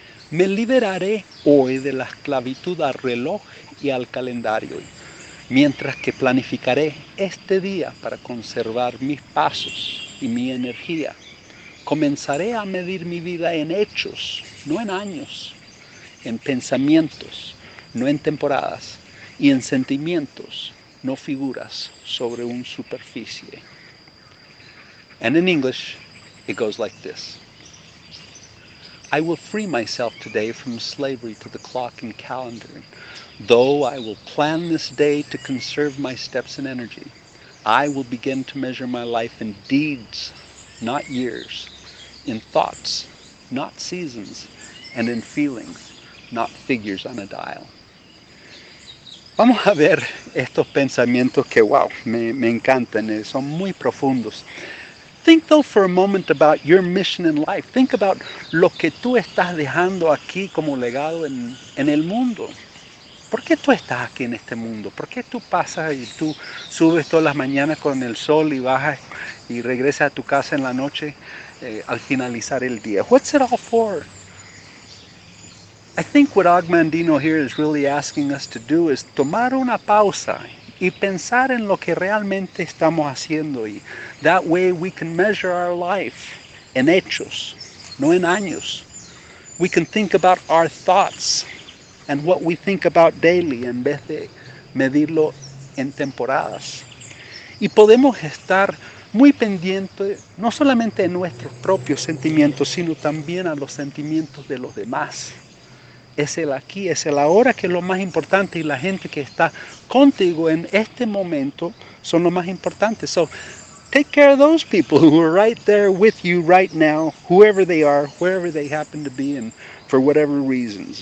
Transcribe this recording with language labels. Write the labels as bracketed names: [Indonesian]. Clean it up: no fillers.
[Spanish] Me liberaré hoy de la esclavitud al reloj y al calendario, mientras que planificaré este día para conservar mis pasos y mi energía. Comenzaré a medir mi vida en hechos, no en años, en pensamientos, no en temporadas, y en sentimientos, no figuras sobre una superficie. [English] And in English, it goes like this. I will free myself today from slavery to the clock and calendar. Though I will plan this day to conserve my steps and energy, I will begin to measure my life in deeds, not years, in thoughts, not seasons, and in feelings, not figures on a dial. [Spanish] Vamos a ver estos pensamientos que, wow, me encantan, son muy profundos. [English] Think though for a moment about your mission in life. Think about [Spanish] lo que tú estás dejando aquí como legado en el mundo. ¿Por qué tú estás aquí en este mundo? ¿Por qué tú pasas y tú subes todas las mañanas con el sol y bajas y regresas a tu casa en la noche al finalizar el día? [English] What's it all for? I think what Og Mandino here is really asking us to do is [Spanish] tomar una pausa y pensar en lo que realmente estamos haciendo. [English] Y that way we can measure our life [Spanish] en hechos, no en años. [English] We can think about our thoughts and what we think about daily [Spanish] en vez de medirlo en temporadas. Y podemos estar muy pendientes no solamente de nuestros propios sentimientos, sino también a los sentimientos de los demás. Es el aquí, es el ahora que es lo más importante, y la gente que está contigo en este momento son lo más importante. [English] So, take care of those people who are right there with you right now, whoever they are, wherever they happen to be, and for whatever reasons.